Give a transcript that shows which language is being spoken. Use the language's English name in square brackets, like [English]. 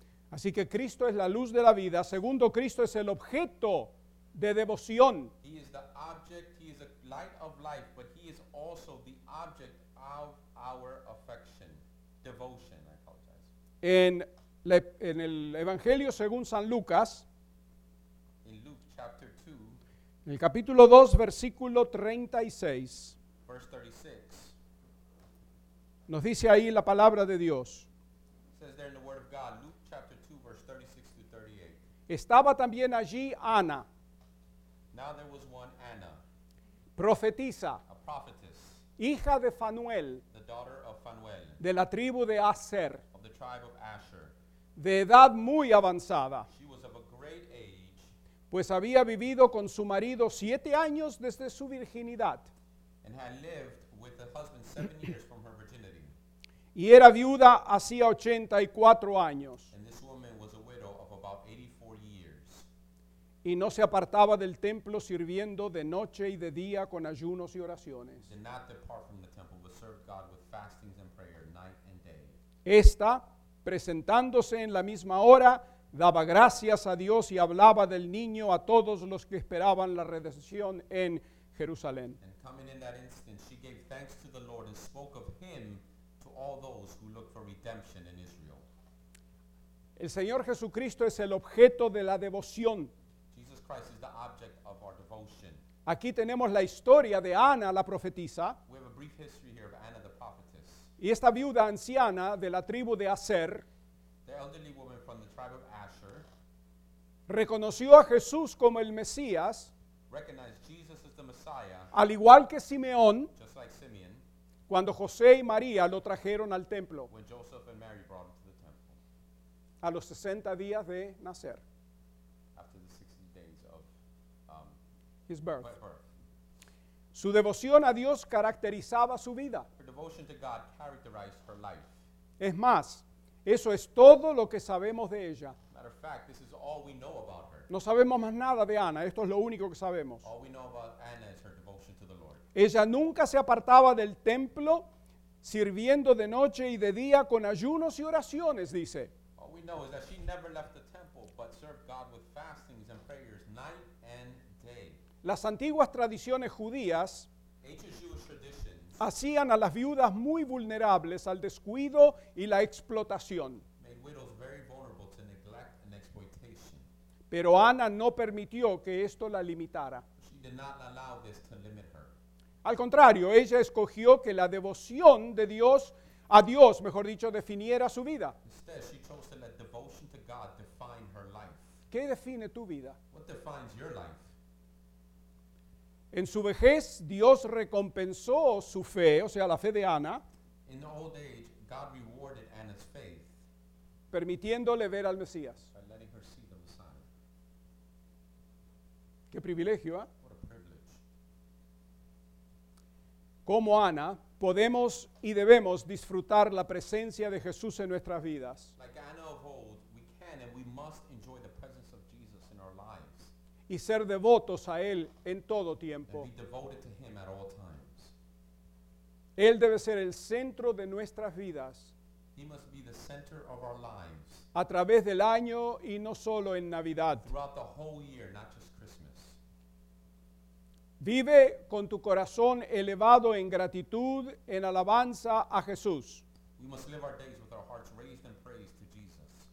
[Spanish] Así que Cristo es la luz de la vida. Segundo, Cristo es el objeto de devoción. [English] He is the object, he is the light of life, but he is also the object of our affection. Devotion, I apologize. [Spanish] En el Evangelio según San Lucas, [English] in Luke chapter 2, [Spanish] en el capítulo 2, versículo 36, [English] verse 36, [Spanish] nos dice ahí la palabra de Dios. [English] Says there in the word of God, Luke chapter 2, verse 36 to 38. [Spanish] Estaba también allí Ana. [English] Now there was one Anna. [Spanish] Profetisa. [English] A prophetess. [Spanish] Hija de Fanuel. [English] The daughter of Fanuel. [Spanish] De la tribu de Aser. [English] Of the tribe of Asher. [Spanish] De edad muy avanzada. [English] She was of a great age. [Spanish] Pues había vivido con su marido 7 años desde su virginidad. [English] And had lived with the husband 7 years from her virginity. [Spanish] Y era viuda hacía 84 años. [English] And this woman was a widow of about 84 years. [Spanish] Y no se apartaba del templo sirviendo de noche y de día con ayunos y oraciones. [English] Did not depart from the temple, but served God with fastings and prayer night and day. [Spanish] Esta, presentándose en la misma hora, daba gracias a Dios y hablaba del niño a todos los que esperaban la redención en Jerusalén. [English] And coming in that instant, she gave thanks to the Lord and spoke of him to all those who look for redemption in Israel. [Spanish] El Señor Jesucristo es el objeto de la devoción. [English] Jesus Christ is the object of our devotion. [Spanish] Aquí tenemos la historia de Ana, la profetisa. [English] We have a brief history here of Anna, the prophetess. [Spanish] Y esta viuda anciana de la tribu de Aser, [English] the elderly woman from the tribe of Asher, [Spanish] reconoció a Jesús como el Mesías, [English] recognized Jesus as the Messiah, [Spanish] al igual que Simeón, [English] just like Simeon, [Spanish] cuando José y María lo trajeron al templo, [English] when Joseph and Mary brought him to the temple, [Spanish] a los 60 días de nacer, [English] after the 60 days of his birth. Birth. [Spanish] Su devoción a Dios caracterizaba su vida. [English] Devotion to God characterized her life. [Spanish] Es más, eso es todo lo que sabemos de ella. [English] Matter of fact, this is all we know about her. [Spanish] No sabemos más nada de Ana, esto es lo único que sabemos. [English] All we know about Anna is her devotion to the Lord. [Spanish] Ella nunca se apartaba del templo sirviendo de noche y de día con ayunos y oraciones, dice. [English] All we know is that she never left the temple but served God with fastings and prayers night and day. [Spanish] Las antiguas tradiciones judías, [English] ancient Jewish traditions, [Spanish] hacían a las viudas muy vulnerables al descuido y la explotación. [English] Made widows very vulnerable to neglect and exploitation. [Spanish] Pero Ana no permitió que esto la limitara. [English] She did not allow this to limit her. [Spanish] Al contrario, ella escogió que la devoción de Dios, a Dios, mejor dicho, definiera su vida. [English] Instead, she chose to let devotion to God define her life. [Spanish] ¿Qué define tu vida? [English] What defines your life? [Spanish] En su vejez, Dios recompensó su fe, o sea, la fe de Ana, [English] in the old age, God rewarded Anna's faith, [Spanish] permitiéndole ver al Mesías. [English] By letting her see the Messiah. [Spanish] Qué privilegio, ¿eh? [English] What a privilege. [Spanish] Como Ana, podemos y debemos disfrutar la presencia de Jesús en nuestras vidas. [English] Like Anna of old, we can and we must enjoy the presence of Jesus in our lives. [Spanish] Y ser devotos a Él en todo tiempo. [English] And be devoted to Him at all times. [Spanish] Él debe ser el centro de nuestras vidas. [English] He must be the center of our lives. [Spanish] A través del año y no solo en Navidad. [English] Throughout the whole year, not just Christmas. [Spanish] Vive con tu corazón elevado en gratitud, en alabanza a Jesús. [English] We must live our days with our hearts raised in praise to Jesus.